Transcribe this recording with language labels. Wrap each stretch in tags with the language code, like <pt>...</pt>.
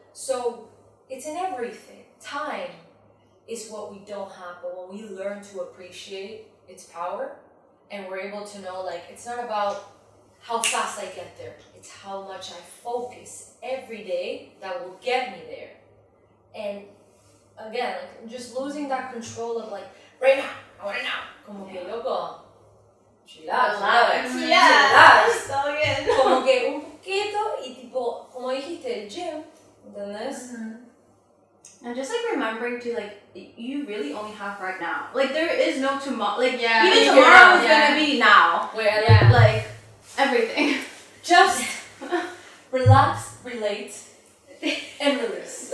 <en>So it's in everything. Time is what we don't have, but when we learn to appreciate its power and we're able to know, like, it's not about how fast I get there, it's how much I focus every day that will get me there. And again, like, just losing that control of, like, right now, I want it now.</en> <es>Como que loco. Chillax.</es> <en>Chillax. So good.</en> <es>Como que un poquito y tipo, como dijiste, el gym. ¿Entendés? Mm-hmm.</es> <en>And just like remembering to, like, you really only have right now. Like, there is no tomorrow. Like, yeah, even tomorrow is going to be now. Where, like, everything. Just relax. Relate and release.</en>